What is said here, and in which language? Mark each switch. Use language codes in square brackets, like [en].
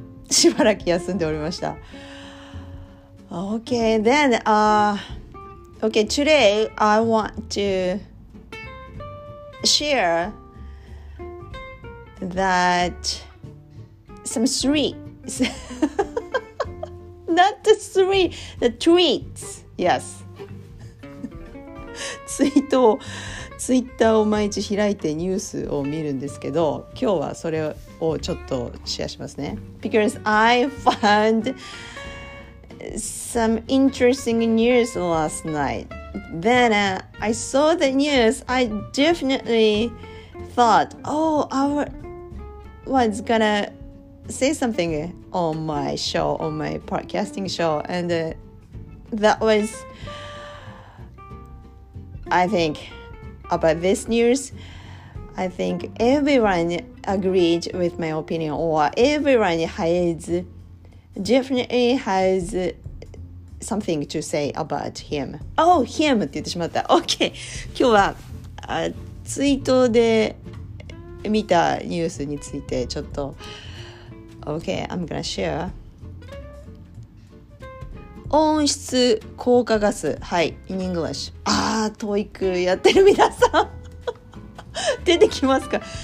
[ja] しばらく休んでおりました。 [en] Okay, then, okay, today I want to share that some streaks. Not the streak, the tweets. Yes. [ja] ツイートを、ツイッターを毎日開いてニュースを見るんですけど、今日はそれをちょっとシェアしますね。 [en] Because I found some interesting news last night. Then, I saw the news. I definitely thought, oh, our one's gonna say something on my show, on my podcasting show. And that was, I think, about this news. I think everyone agreed with my opinion, or everyone has definitely has something to say about him. Oh, him [ja] って言ってしまった。 [en] Okay, [ja] 今日はツイートで見たニュースについてちょっと、 [en] Okay, I'm gonna share. [ja] 温室効果ガス、はい、 [en] in English. [ja] ああ、TOEIC やってる皆さん出てきますか。